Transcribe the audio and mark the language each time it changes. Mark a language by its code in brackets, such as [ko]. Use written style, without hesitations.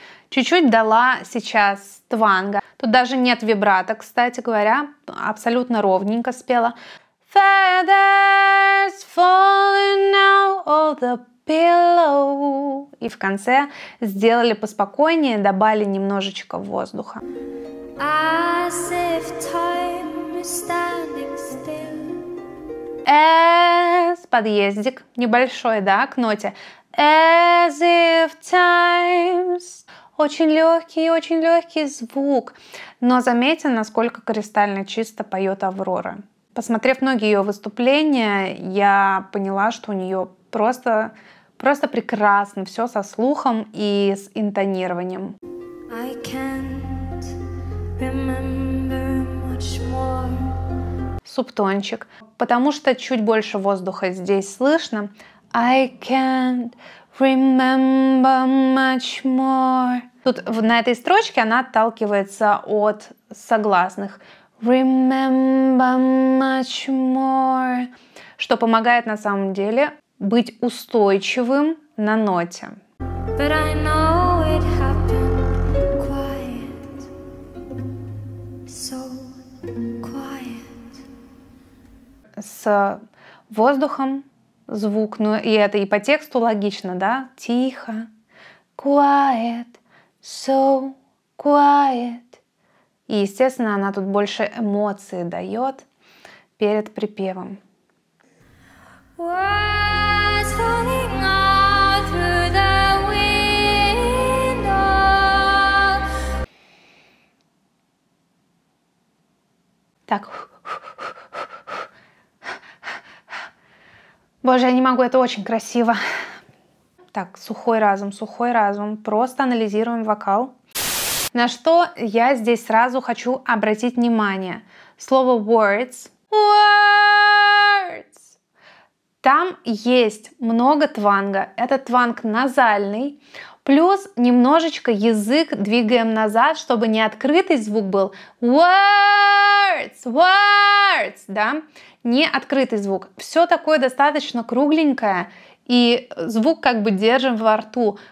[ru] Чуть-чуть дала сейчас тванга. Тут даже нет вибрато, кстати говоря. Абсолютно ровненько спела. [en] Feathers falling out of the pillow. [ru] И в конце сделали поспокойнее, добавили немножечко воздуха. [en] As if time is standing still. [ru] As, подъездик небольшой, да, к ноте. [en] As if times. [ru] Очень легкий звук. Но заметьте, насколько кристально чисто поет Аврора. Посмотрев многие ее выступления, я поняла, что у нее просто, просто прекрасно все со слухом и с интонированием. [en] I can't remember much more. [ru] Субтончик. Потому что чуть больше воздуха здесь слышно. [en] I can't remember much more. [ru] Тут на этой строчке она отталкивается от согласных. [en] Remember much more, [ru] что помогает на самом деле быть устойчивым на ноте. [en] But I know it happened quiet, so quiet. [ru] С воздухом звук, ну и это и по тексту логично, да? Тихо, [en] quiet, so quiet. [ru] И, естественно, она тут больше эмоций дает перед припевом. Так. Боже, я не могу, это очень красиво. Так, сухой разум, просто анализируем вокал. На что я здесь сразу хочу обратить внимание. Слово words, words. Там есть много тванга, это тванг назальный, плюс немножечко язык двигаем назад, чтобы не открытый звук был, words, words, да, не открытый звук. Все такое достаточно кругленькое, и звук как бы держим во рту.